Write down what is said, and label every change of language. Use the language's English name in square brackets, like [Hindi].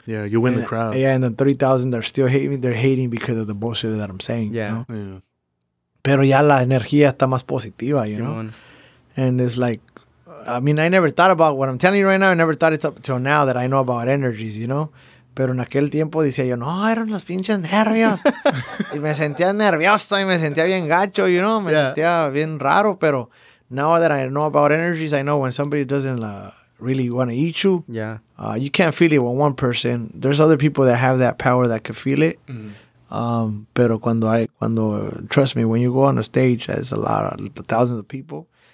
[English] Yeah, you win the crowd. Yeah, and then 3,000 are still hating. They're hating because of the bullshit that I'm saying. Yeah. You know? Yeah. [Spanish] Pero ya la energía está más positiva, [English] you know? And it's like, I mean, I never thought about what I'm telling you right now. I never thought it up until now that I know about energies, you know? [Spanish] Pero en aquel tiempo decía yo, no, eran los pinches nervios. Y me sentía nervioso y me sentía bien gacho, [English] you know? [Spanish] Me sentía bien raro, pero [English] now that I know about energies, I know when somebody doesn't really want to eat you, you can't feel it with one person. There's other people that have that power that could feel it. Mm-hmm. [Spanish] Pero cuando, [English] trust me, when you go on a stage, there's a lot of thousands of people.